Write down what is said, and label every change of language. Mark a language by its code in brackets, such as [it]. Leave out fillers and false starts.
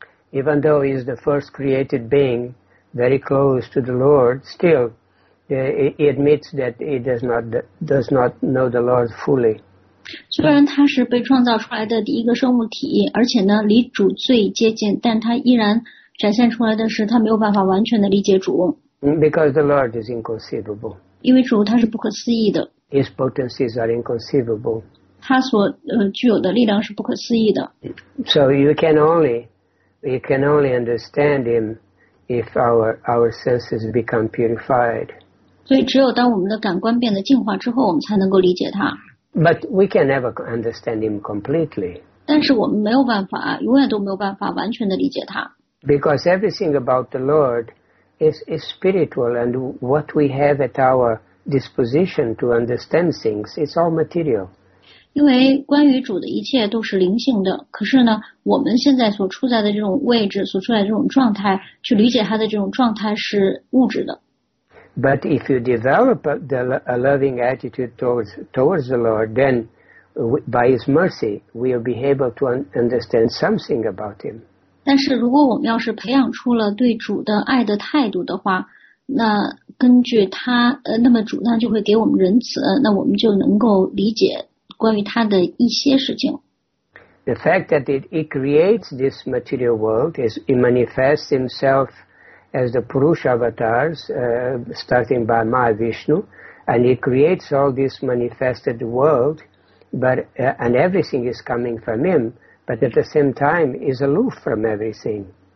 [en] Even though he is the first created being, very close to the Lord, still. He admits that he does not know the Lord fully. [zh] 虽然他是被创造出来的第一个生物体，而且呢离主最接近，但他依然展现出来的是他没有办法完全的理解主。 [en] Because the Lord is inconceivable. [zh] 因为主他是不可思议的。 [en] His potencies are inconceivable. [zh] 他所具有的力量是不可思议的。 [en] So you can only understand him if our senses become purified. [zh] 所以只有当我们的感官变得净化之后我们才能够理解它。 [en] But we can never understand him completely. [zh] 但是我们没有办法永远都没有办法完全的理解它。 [en] Because everything about the Lord is spiritual and what we have at our disposition to understand things is all material. [zh] 因为关于主的一切都是灵性的可是呢我们现在所处在的这种位置所处在的这种状态去理解它的这种状态是物质的。 [en] But if you develop a loving attitude towards the Lord, then by His mercy, we'll be able to understand something about Him. [zh] 但是如果我们要是培养出了对主的爱的态度的话，那根据他，那么主呢就会给我们仁慈，那我们就能够理解关于他的一些事情。 [en] The fact that it creates this material world is it manifests Himself. As the Purusha avatars, starting by Mahavishnu, and he creates all this manifested world, and everything is coming from him, but at the same time is aloof from everything.